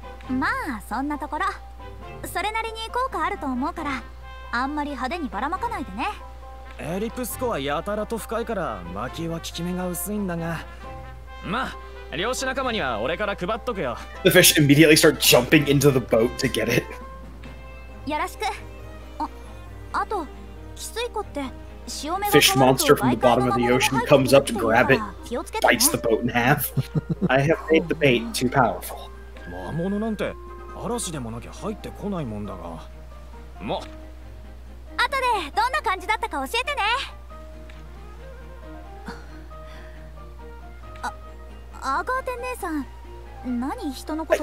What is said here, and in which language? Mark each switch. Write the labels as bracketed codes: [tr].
[ja] まあ、そんなところ。それなりに効果あると思うから、あんまり派手にばらまかないでね。エリプスコアやたらと深いから巻きは効き目が薄いんだが、まあ漁師仲間には俺から配っとくよ。 [en] The fish immediately start jumping into the boat to get it. [ja] よろしく。あと、キスイコって潮目が変わると [en] Fish monster from the bottom of the ocean comes up to grab it, bites the boat in half. I have made the bait too powerful. [ja] 魔物なんて嵐でもなきゃ入ってこないもんだが、もう後でどんな感じだったか教えてね。あ、アガーテ姉さん、何人のこと。